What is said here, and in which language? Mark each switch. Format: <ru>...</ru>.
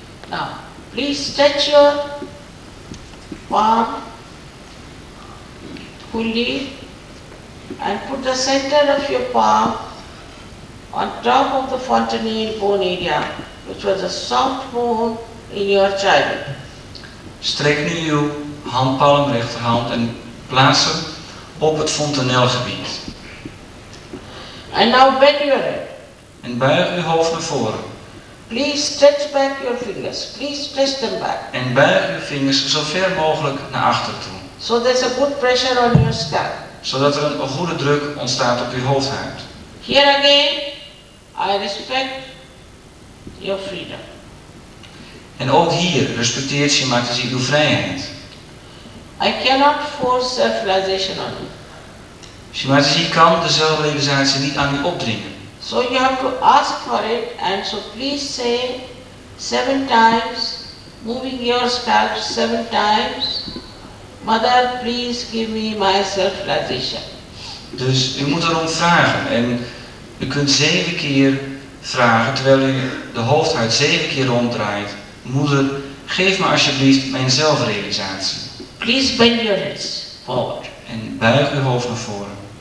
<en>Now, please stretch your palm fully and put the center of your palm on top of the fontanel bone area, which was a soft bone in your childhood.</en> <nl>Strek nu uw handpalm, rechterhand, en plaats hem op het fontanelgebied.</nl> <en>And now bend your head.</en> <nl>En buig uw hoofd naar voren.</nl> <en>Please stretch back your fingers. Please stretch them back.</en> <nl>En buig uw vingers zo ver mogelijk naar achter toe.</nl> <en>So there's a good pressure on your scalp.</en> <nl>Zodat er een goede druk ontstaat op uw hoofdhuid.</nl> <en>Here again, I respect your freedom.</en> <nl>En ook hier respecteert je maar te zien uw vrijheid.</nl> <en>I cannot force self-realization on you.</en> <nl>Shimataji kan de zelfrealisatie niet aan u opdringen.</nl> <en>So you have to ask for it, and so please say 7 times, moving your scalp 7 times, Mother, please give me my self-realization.</en> <nl>Dus u moet erom vragen, en u kunt 7 keer vragen, terwijl u de hoofdhuid 7 keer ronddraait, Moeder, geef me alsjeblieft mijn zelfrealisatie.</nl> <en>Please bend your heads forward.</en> <nl>En buig uw hoofd naar voren.</nl>